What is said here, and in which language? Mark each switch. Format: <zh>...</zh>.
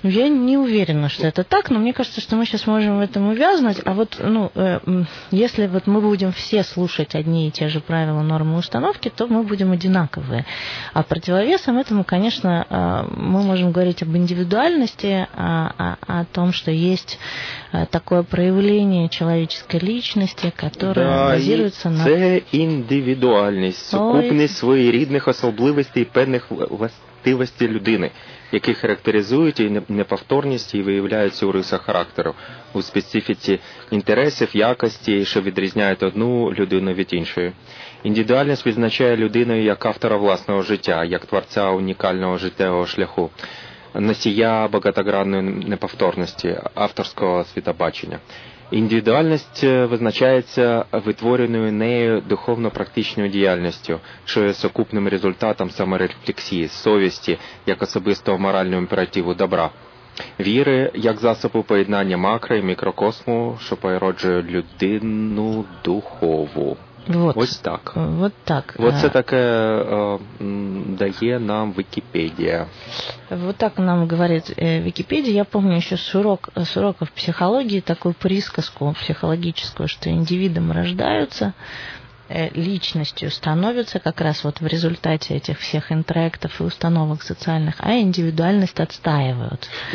<ru>Я не уверена, что это так, но мне кажется, что мы сейчас можем в этом увязнуть. А вот, ну, если вот мы будем все слушать одни и те же правила, нормы и установки, то мы будем одинаковые. А противовесом этому, конечно, мы можем говорить об индивидуальности, о том, что есть такое проявление человеческой личности, которое базируется на...</ru> <uk>Да, индивидуальность, сукупність своїх рідних особливостей, певних властивостей людини, які характеризують її неповторність і виявляються у рисах характеру, у специфіці інтересів, якості, що відрізняють одну людину від іншої. Індивідуальність визначає людину як автора власного життя, як творця унікального життєвого шляху, носія багатогранної неповторності, авторського світобачення. Індивідуальність визначається витвореною нею духовно-практичною діяльністю, що є сукупним результатом саморефлексії, совісті, як особистого морального імперативу добра, віри, як засобу поєднання макро- і мікрокосму, що породжує людину духову.</uk> <ru>Вот.</ru> <uk>Ось так.</uk> <ru>Вот так.</ru> <uk>Вот це таке дає нам Вікіпедія.</uk> <ru>Вот так нам говорит Википедия. Я помню еще с уроков психологии такую присказку психологическую, что индивидом рождаются, личностью становятся как раз вот в результате этих всех интроектов и установок социальных, а индивидуальность отстаивают.</ru>